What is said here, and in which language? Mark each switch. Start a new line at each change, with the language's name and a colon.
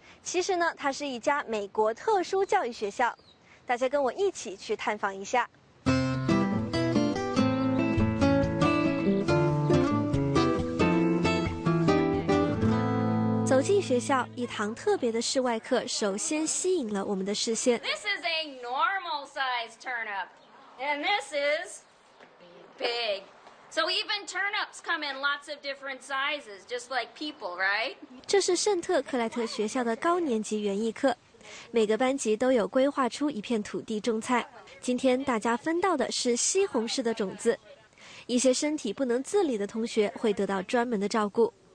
Chinese: 其实呢，它是一家美国特殊教育学校。大家跟我一起去探访一下。走进学校，一堂特别的室外课首先吸引了我们的视线。
English: This is a normal size turnip, and this is big. So even turnips come in lots of different sizes, just like people, right?
Chinese: 这是圣特克莱特学校的高年级园艺课，每个班级都有规划出一片土地种菜。今天大家分到的是西红柿的种子。一些身体不能自理的同学会得到专门的照顾。